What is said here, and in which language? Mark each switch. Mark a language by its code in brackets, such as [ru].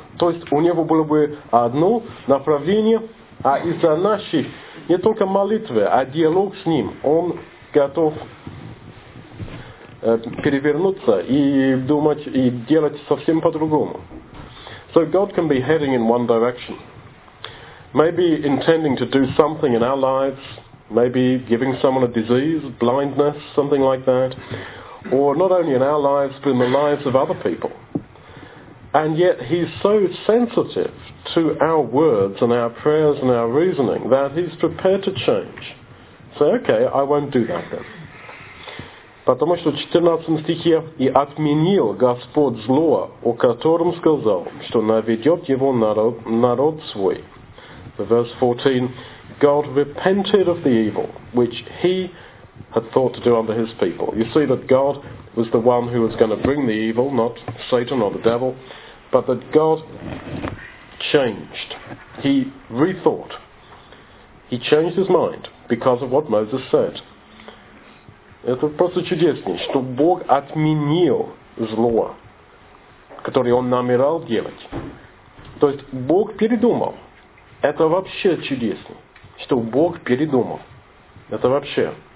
[ru] То есть у Него было бы одно направление, а из-за нашей не только молитвы, а диалог с Ним, Он готов перевернуться и думать, и делать совсем по-другому. [en] So God can be heading in one direction. Maybe intending to do something in our lives, maybe giving someone a disease, blindness, something like that. Or not only in our lives, but in the lives of other people. And yet he's so sensitive to our words and our prayers and our reasoning that he's prepared to change. Say, okay, I won't do that then. [ru] Потому что в 14 стихе «И отменил Господь зло, о котором сказал, что наведет его народ свой». [en] Verse 14, God repented of the evil which he had thought to do unto his people. You see that God was the one who was going to bring the evil, not Satan or the devil, but that God changed. He rethought. He changed his mind because of what Moses said. [ru] Это просто чудесно, что Бог отменил зло, которое он намерал делать. То есть Бог передумал. Это вообще чудесно, что Бог передумал. Это вообще.